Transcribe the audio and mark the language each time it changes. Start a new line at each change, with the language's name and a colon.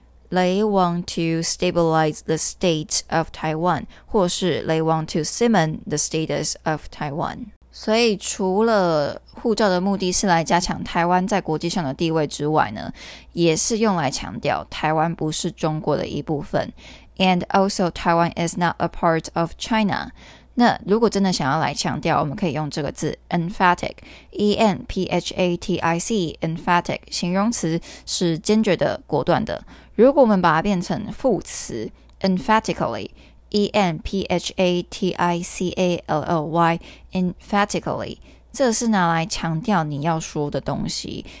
English: They want to stabilize the state of Taiwan,
Chinese: 或是
English: they want to cement the status of Taiwan.
Chinese: 所以除了护照的目的是来加强台湾在国际上的地位之外呢，也是用来强调台湾不是中国的一部分。
English: And also, Taiwan is not a part of China.
Chinese: 那如果真的想要来强调，我们可以用这个字 emphatic, E-N-P-H-A-T-I-C, emphatic, 形容词是坚决的、果断的。如果我们把它变成副词 emphatically, E-N-P-H-A-T-I-C-A-L-L-Y, emphatically, 这是拿来强调你要说的东西。